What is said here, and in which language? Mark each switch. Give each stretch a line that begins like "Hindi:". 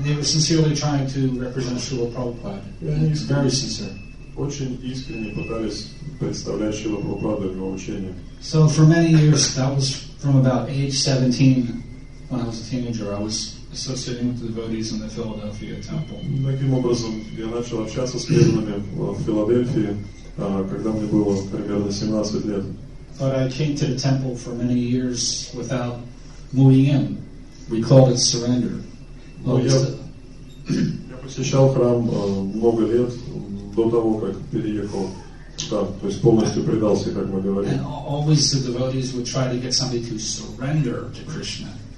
English: And they were sincerely trying to represent Srila Prabhupada. Very sincere.
Russian: Очень искренне пытались представлять Шрила Прабхупаду его учение.
English: So for many years, that was from about age 17, when I was a teenager, I was associating with the devotees in the Philadelphia temple.
Russian: Таким образом, я начал общаться с преданными в Филадельфии, когда мне было примерно 17 лет.
English: But I came to the temple for many years without moving in. We called it surrender.
Russian: Я посещал храм много лет до того, как переехал. Да, то есть полностью предался, как мы говорим.
English: And always the devotees would try to get somebody to surrender to Krishna.